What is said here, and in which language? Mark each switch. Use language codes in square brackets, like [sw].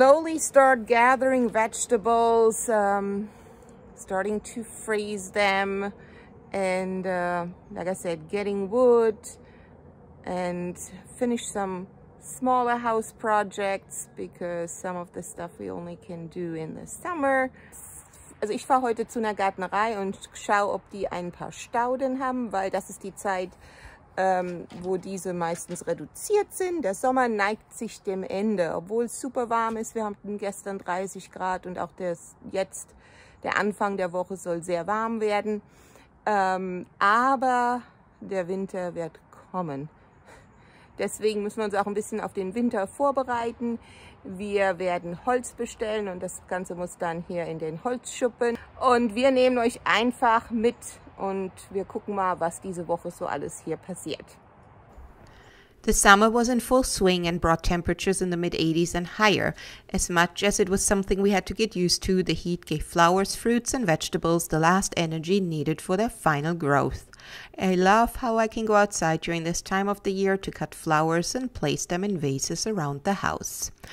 [en] Slowly start gathering vegetables, starting to freeze them, and like I said, getting wood and finish some smaller house projects because some of the stuff we only can do in the summer. [de] Also ich fahre heute zu einer Gärtnerei und schaue, ob die ein paar Stauden haben, weil das ist die Zeit, wo diese meistens reduziert sind. Der Sommer neigt sich dem Ende, obwohl es super warm ist. Wir hatten gestern 30 Grad und auch der Anfang der Woche soll sehr warm werden. Aber der Winter wird kommen. Deswegen müssen wir uns auch ein bisschen auf den Winter vorbereiten. Wir werden Holz bestellen und das Ganze muss dann hier in den Holzschuppen. Und wir nehmen euch einfach mit und wir gucken mal, was diese Woche so alles hier passiert. [en] The summer was in full swing and brought temperatures in the mid-80s and higher. As much as it was something we had to get used to, the heat gave flowers, fruits and vegetables the last energy needed for their final growth. I love how I can go outside during this time of the year to cut flowers and place them in vases around the house.